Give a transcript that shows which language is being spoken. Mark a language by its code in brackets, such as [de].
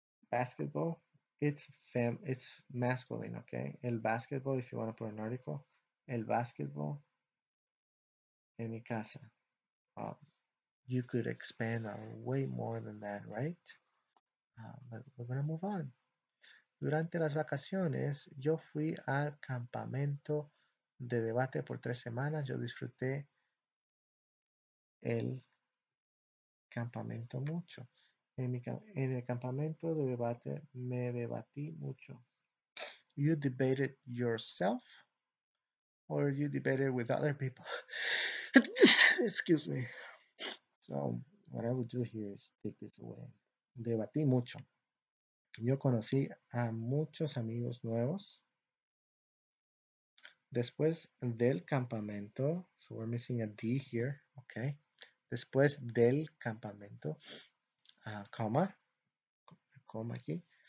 [en] Basketball. It's masculine, okay? El basketball, if you want to put an article. [es] El basketball en mi casa. [en] You could expand on way more than that, right? But we're going to move on. [es] Durante las vacaciones, yo fui al campamento de debate por 3 semanas. Yo disfruté el campamento mucho. En el campamento de debate me debatí mucho. [en] You debated yourself or you debated with other people? Excuse me. So, what I would do here is take this away. [es] Debatí mucho. Yo conocí a muchos amigos nuevos después del campamento. [en] So we're missing a D here, okay? [es] Después del campamento, coma aquí.